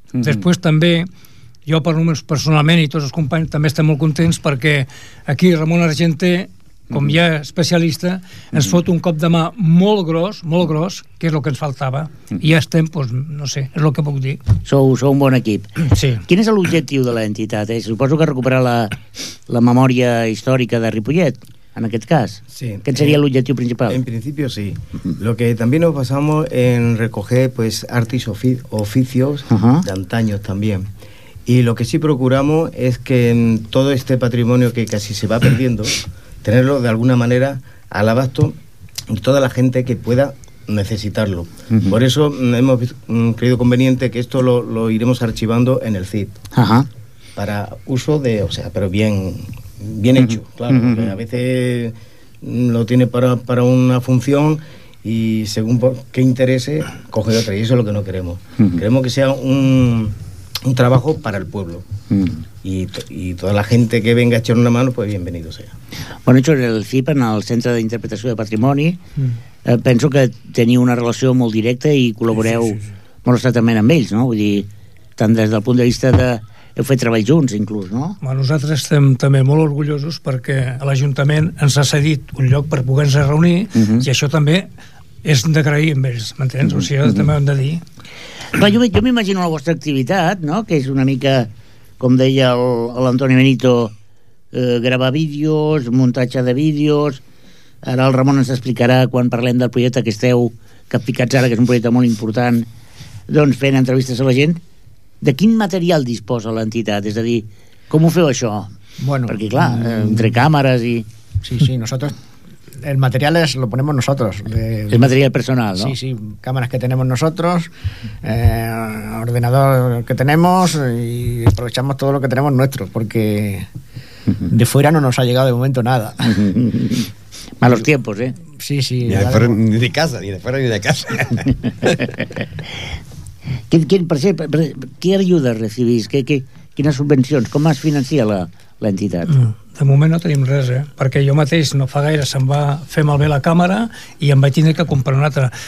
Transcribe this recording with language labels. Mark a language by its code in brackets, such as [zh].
[ca] Després també, jo per només personalment i tots els companys també estem molt contents, perquè aquí Ramon Argenté, com ja especialista, ens fot un cop de mà molt gros, que és el que ens faltava. I ja estem, doncs, no sé, és el que puc dir. Sou un bon equip. Sí. Quin és l'objectiu de l'entitat? Suposo que recuperar la memòria històrica de Ripollet, en aquest cas. Sí. Aquest seria l'objectiu principal. [es] En principio, sí. Lo que también nos basamos en recoger, pues, artes oficios de antaños también. Y lo que sí procuramos es que en todo este patrimonio que casi se va perdiendo, tenerlo de alguna manera al abasto de toda la gente que pueda necesitarlo. Uh-huh. Por eso hemos creído conveniente que esto lo iremos archivando en el CID. Ajá. Para uso de, o sea, pero bien uh-huh. hecho, claro. Uh-huh. A veces lo tiene para una función y según por qué interese, coge otra. Y eso es lo que no queremos. Uh-huh. Queremos que sea un trabajo para el pueblo. Y toda la gente que venga a echar una mano, pues bienvenido sea. [ca] Bueno, hecho en el CIP, en el Centre d'Interpretació de Patrimoni, penso que teniu una relació molt directa i col·laboreu molt estretament amb ells, no? Vull dir, tant des del punt de vista de... Heu fet treball junts, inclús, no? Bueno, nosaltres estem també molt orgullosos perquè l'Ajuntament ens ha cedit un lloc per poder-nos reunir, i això també és d'agrair amb ells, m'entens? O sigui, també hem de dir... Clar, jo m'imagino la vostra activitat, no?, que és una mica, com deia l'Antoni Benito, gravar vídeos, muntatge de vídeos. Ara el Ramon ens explicarà, quan parlem del projecte que esteu capficats ara, que és un projecte molt important, doncs fent entrevistes a la gent. De quin material disposa l'entitat? És a dir, com ho feu això? Bueno, perquè clar, entre càmeres i... Sí, sí, nosaltres... [es] El material es lo ponemos nosotros. El material personal, ¿no? Sí, sí, cámaras que tenemos nosotros, ordenador que tenemos, y aprovechamos todo lo que tenemos nuestro, porque de fuera no nos ha llegado de momento nada. Malos tiempos, ¿eh? Sí, sí. Ni de fuera ni de casa. ¿Qué ayuda recibís? [ca] ¿Quines subvencions? ¿Com es financia l'entitat? De moment no tenim res, perquè jo mateix no fa gaire se'm va fer malbé la càmera i em vaig tindre que comprar una altra.